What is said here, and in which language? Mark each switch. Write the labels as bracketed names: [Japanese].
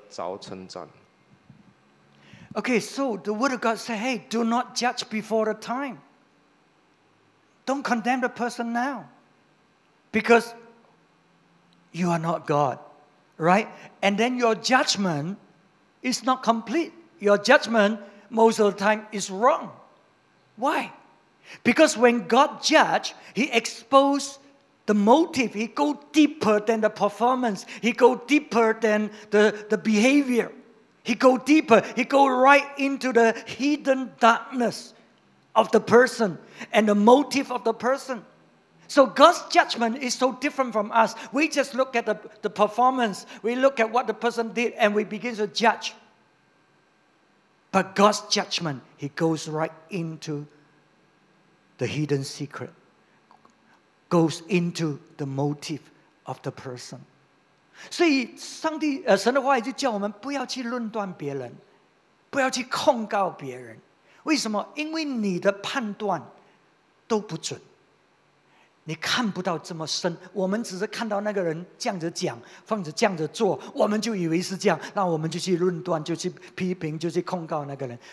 [Chinese] 哥林多前书第四章第五节，所以时候未到，什么都不要论断，只等主来，他要照出暗中的隐情，显明人心的意念。那时个人要从神那里得着称赞。Okay, [English] so the word of God said, hey, do not judge before the time. Don't condemn the person now. Because you are not God, right? And then your judgment is not complete. Your judgment, most of the time, is wrong. Why? Because when God judged, He exposed the motive. He go deeper than the performance. He go deeper than the behavior. He go deeper. He go right into the hidden darkness of the person and the motive of the person. So God's judgment is so different from us. We just look at the performance. We look at what the person did and we begin to judge. But God's judgment, He goes right into the hidden secret. goes into the motive of the person. [Chinese] 所以上帝神的话也就叫我们不要去论断别人，不要去控告别人。为什么？因为你的判断都不准，你看不到这么深。我们只是看到那个人这样子讲，放着这样子做，我们就以为是这样，那我们就去论断，就去批评，就去控告那个人。